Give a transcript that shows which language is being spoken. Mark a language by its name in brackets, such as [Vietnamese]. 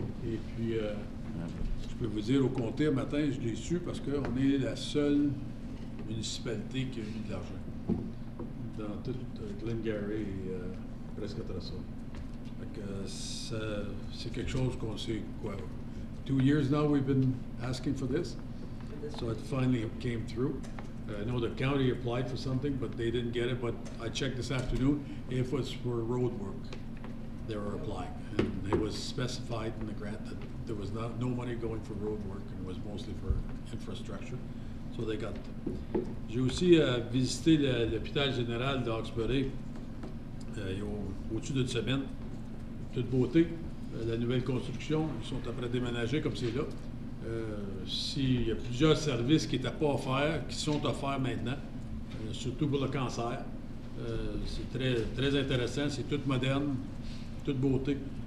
[French] Et puis, je peux vous dire, au comté, un matin, je l'ai su parce qu'on est la seule municipalité qui a eu de l'argent dans tout Glengarry et presque Trasso. Fait que c'est quelque chose qu'on sait quoi. [English] 2 years now we've been asking for this, so it finally came through. I know the county applied for something, but they didn't get it, but I checked this afternoon if it was for road work. They were applying, and it was specified in the grant that there was no money going for road work, and it was mostly for infrastructure, so they got them. [French] J'ai aussi visité l'hôpital général d'Oxbury, au-dessus d'une semaine, toute beauté, la nouvelle construction, ils sont après déménager comme c'est là. S'il y a plusieurs services qui n'étaient pas offerts, qui sont offerts maintenant, surtout pour le cancer, c'est très, très intéressant, c'est tout moderne, toute beauté.